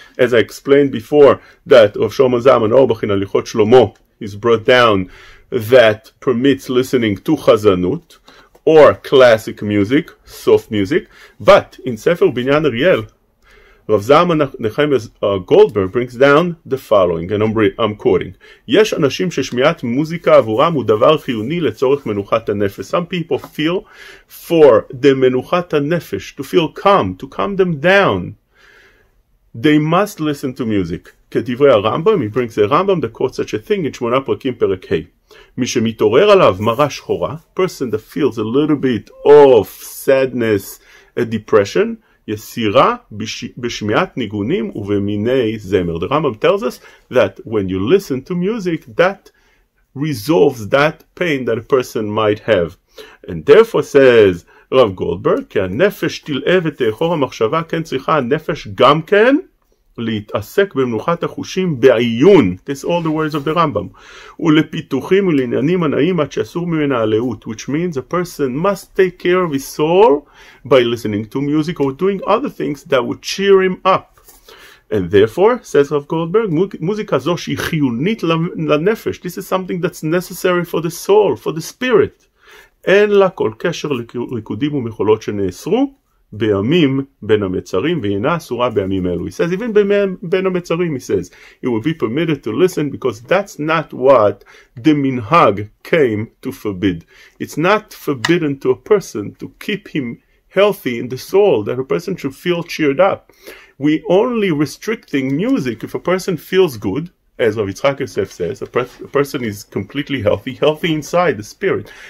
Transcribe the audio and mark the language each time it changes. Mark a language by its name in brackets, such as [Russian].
[English] As I explained before, that of Shlomo Zalman Auerbach in Halichot Shlomo is brought down that permits listening to Chazanut or classic music, soft music. But in Sefer Binyan Ariel, Rav Zalman Nechemia Goldberg brings down the following, and I'm quoting. [Hebrew] יש אנשים ששמיעת מוזיקה עבורם הוא דבר חיוני לצורך מנוחת הנפש. [English] Some people feel for the [Hebrew] מנוחת הנפש, [English] to feel calm, to calm them down. They must listen to music. [Hebrew] כדברי הרמב״ם, [English] he brings the רמב״ם, the quote such a thing in [Hebrew] 8 פרקים פרק ה. מי שמתעורר עליו מראה שחורה, [English] person that feels a little bit of sadness, a depression, [Hebrew] יסירה בשמיעת ניגונים ובמיני זמר. [English] The Rambam tells us that when you listen to music, that resolves that pain that a person might have. And therefore says Rav Goldberg, [Hebrew] כי הנפש תלאה ותאחור המחשבה, כן צריכה הנפש גם כן להתעסק במנוחת החושים בעיון. [English] This all the words of the Rambam. [Hebrew] ולפיתוחים ולעניינים הנעים עד שאסור ממנה הלאות, [English] which means a person must take care of his soul by listening to music or doing other things that would cheer him up. And therefore, says Rav Goldberg, [Hebrew] מוזיקה זו שהיא חיונית לנפש. [English] This is something that's necessary for the soul, for the spirit. [Hebrew] אין לה כל קשר לריקודים ומחולות שנאסרו בימים בין המצרים, ואינה אסורה בימים אלו. [English] He says, even בין המצרים, he says, it will be permitted to listen because that's not what the minhag came to forbid. It's not forbidden to a person to keep him healthy in the soul, that a person should feel cheered up. We only restricting music if a person feels good, as Rav Yitzchak Yosef says, a person is completely healthy, healthy inside the spirit.